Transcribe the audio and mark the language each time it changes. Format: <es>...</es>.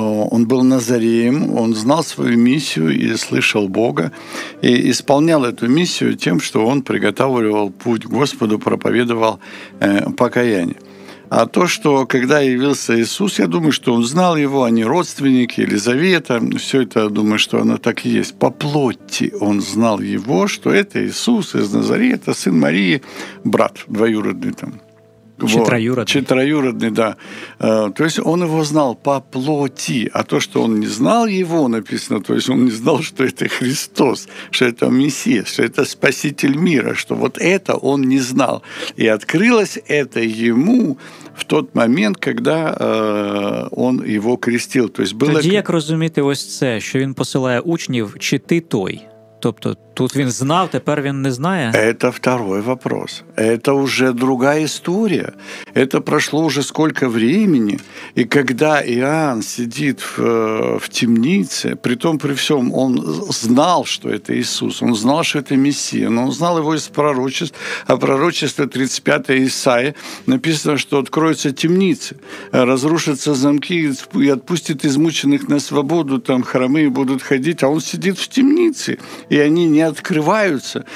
<uk>Он був Назареєм, он знав свою місію і слышав Бога, і исполнял эту місію тим, що он приготовлював путь Господу, проповедував покаяння.</uk> <ru>А то, что когда явился Иисус, я думаю, что он знал его, они родственники, Елизавета, все это, я думаю, что оно так и есть. По плоти он знал его, что это Иисус из Назарета, сын Марии, брат двоюродный там. Четроюродный. Четроюродный, да. То есть он его знал по плоти, а то, что он не знал его, написано, то есть он не знал, что это Христос, что это Мессия, что это Спаситель мира, что вот это он не знал. И открылось это ему в тот момент, когда он его крестил. То есть было...</ru> <uk>Тоді, як розуміти ось це, що він посилає учнів, чи ти той? Тобто тут він знав, тепер він не знає?</uk> <ru>Это второй вопрос. Это уже другая история. Это прошло уже сколько времени. И когда Иоанн сидит в темнице, при том, при всем, он знал, что это Иисус, он знал, что это Мессия, но он знал его из пророчеств. А пророчество 35 Исаия написано, что откроются темницы, разрушатся замки и отпустят измученных на свободу, там хромые будут ходить, а он сидит в темнице, и они не открываются.</ru>